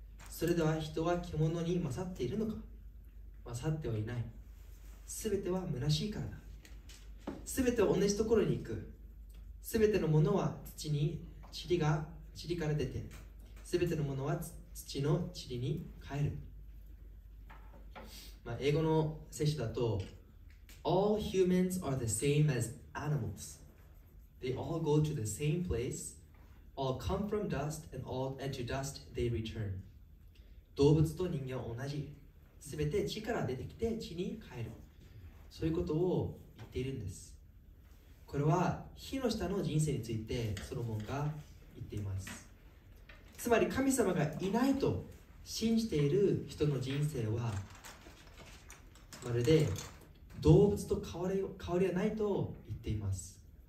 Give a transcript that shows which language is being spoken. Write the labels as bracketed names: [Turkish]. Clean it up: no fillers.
[Japanese] それでは人は獣に勝っているのか。勝ってはいない。すべては虚しいからだ。すべては同じところに行く。すべてのものは土に、塵が塵から出て、すべてのものは土の塵に帰る。まあ、英語の聖書だと、 [English] All humans are the same as animals. They all go to the same place. All come from dust, and all into dust they return. [Japanese] 動物と人間は同じ。すべて地から出てきて地に帰る。そういうことを言っているんです。これは火の下の人生についてソロモンが言っています。つまり神様がいないと信じている人の人生は、まるで動物と変わりはないと言っています。